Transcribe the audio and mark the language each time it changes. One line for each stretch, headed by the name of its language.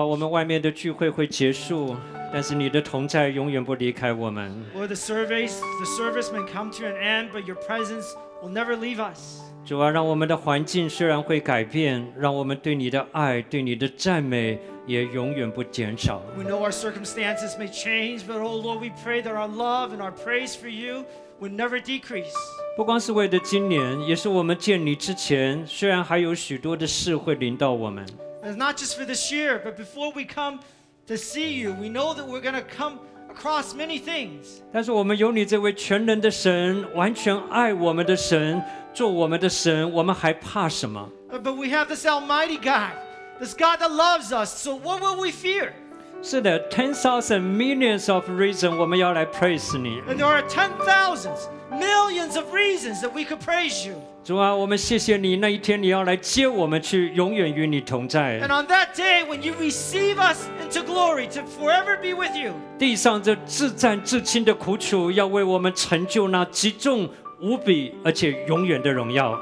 Chinese: 外面的聚会会结束，但是你的同在永远不离开我们。
English: Lord, the service may come to an end, but your presence will never leave us.
Chinese: 主啊，让我们的环境虽然会改变，让我们对你的爱、对你的赞美也永远不减少。
English: We know our circumstances may change, but oh Lord, we pray that our love and our praise for you will never decrease.
Chinese: 不光是为了今年，也是我们见你之前，虽然还有许多的事会临到我们。
English: It's not just for this year, but before we come to see you, we know that we're going to come across many things.
Chinese: 但是我们有你这位全能的神，完全爱我们的神，做我们的神，我们还怕什么？
English: But we have this Almighty God, this God that loves us. So what will we fear?
Chinese: 是的
English: 10,000 millions of reasons
Chinese: 我们要来 praise 你。
English: And there are 10,000 millions of reasons that we could praise you.
Chinese: 主啊，我们谢谢你，那一天你要来接我们去，永远与你同在。
English: And on that day, when you receive us into glory to forever be with you,
Chinese: 地上这自战自清的苦楚，要为我们成就那极重无比而且永远的荣耀。